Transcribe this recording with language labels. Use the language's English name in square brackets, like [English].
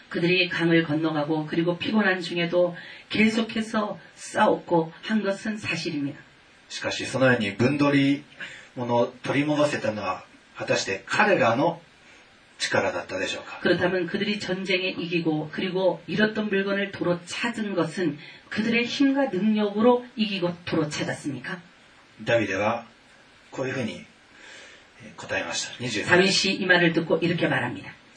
[Korean] 그들이 강을 건너가고 그리고 피곤한 중에도 계속해서 싸웠고 한 것은 사실입니다. [Japanese] しかしそのように分取り物を取り戻せたのは果たして彼らの 力だったでしょうか? [Korean] 그렇다면 그들이 전쟁에 이기고 그리고 잃었던 물건을 도로 찾은 것은 그들의 힘과 능력으로 이기고 도로 찾았습니까? 다윗이 이 말을 듣고 이렇게 말합니다.